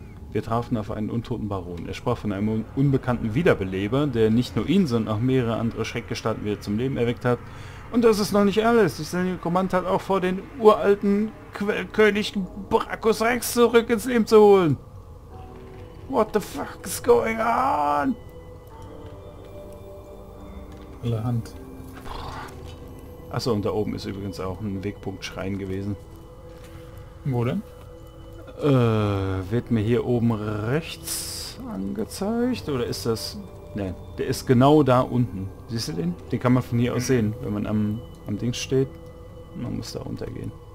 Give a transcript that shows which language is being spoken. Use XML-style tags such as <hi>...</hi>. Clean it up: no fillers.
<de>Wir trafen auf einen untoten Baron. Er sprach von einem unbekannten Wiederbeleber, der nicht nur ihn, sondern auch mehrere andere Schreckgestalten wieder zum Leben erweckt hat. Und das ist noch nicht alles. Die Senior Command hat auch vor, den uralten Quellkönig Bracchus Rex zurück ins Leben zu holen.</de> <en>What the fuck is going on?</en> <de>Alle Hand. Achso, und da oben ist übrigens auch ein Wegpunkt Schrein gewesen. Wo denn? Wird mir hier oben rechts angezeigt? Oder ist das Nein, der ist genau da unten. Siehst du den? Den kann man von hier aus sehen, wenn man am Ding steht. Man muss da runtergehen.</de>